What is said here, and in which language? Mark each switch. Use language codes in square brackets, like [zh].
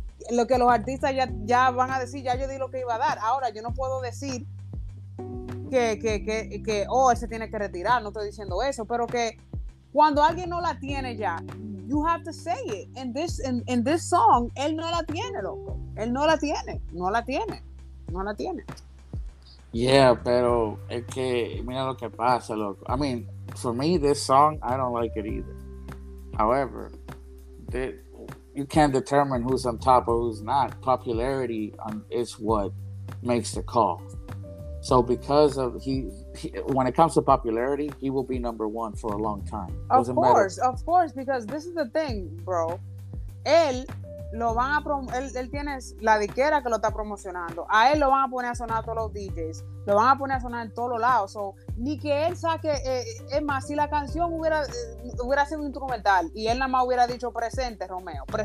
[es] Lo que los artistas ya van a decir, ya yo di lo que iba a dar. Ahora, yo no puedo decir que él se tiene que retirar. No estoy diciendo eso. Pero que cuando alguien no la tiene ya, [en] you have to say it. In this song, [es] él no la tiene, loco. Él no la tiene. No la tiene. No la tiene. Yeah, pero es que mira lo que pasa, loco. [en] I mean, for me, this song, I don't like it either. However, you can't determine who's on top or who's not. Popularity is what makes the call. So because of he, when it comes to popularity, he will be number one for a long time. Of course, because this is the thing, bro. [es] Él lo van a él tiene la disquera que lo está promocionando. A él lo van a poner a sonar todos los DJs. Lo van a poner a sonar en todos los lados. So, ni que él saque, es más, si la canción hubiera sido instrumental y él nada más hubiera dicho presente Romeo.